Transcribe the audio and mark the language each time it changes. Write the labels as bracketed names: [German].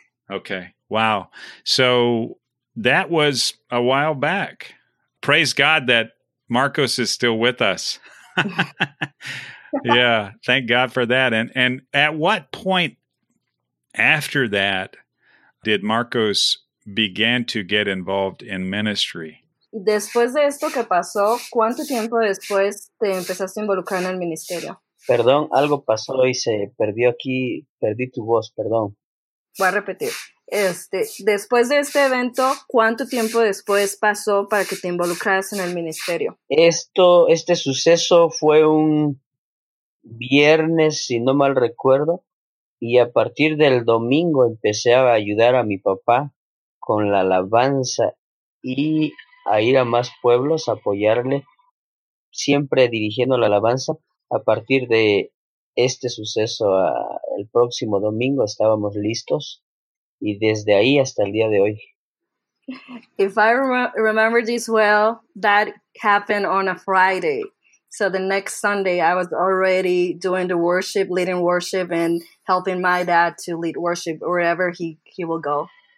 [English] Okay. Wow. So that was a while back. Praise God that Marcos is still with us. Yeah, thank God for that. And at what point after that did Marcos begin to get involved in ministry? [Spanish] Después de esto que pasó, ¿cuánto tiempo después te empezaste a involucrar en el ministerio? Perdón, algo pasó y se perdió aquí. Perdí tu voz, perdón. Voy a repetir. Después de este evento, ¿cuánto tiempo después pasó para que te involucraras en el ministerio? Este suceso fue un viernes, si no mal recuerdo, y a partir del domingo empecé a ayudar a mi papá con la alabanza y a ir a más pueblos a apoyarle, siempre dirigiendo la alabanza. A partir de este suceso, el próximo domingo estábamos listos. Y desde ahí hasta el día de hoy. [English] If I remember this well, that happened on a Friday. So the next Sunday, I was already doing the worship, leading worship, and helping my dad to lead worship wherever he will go.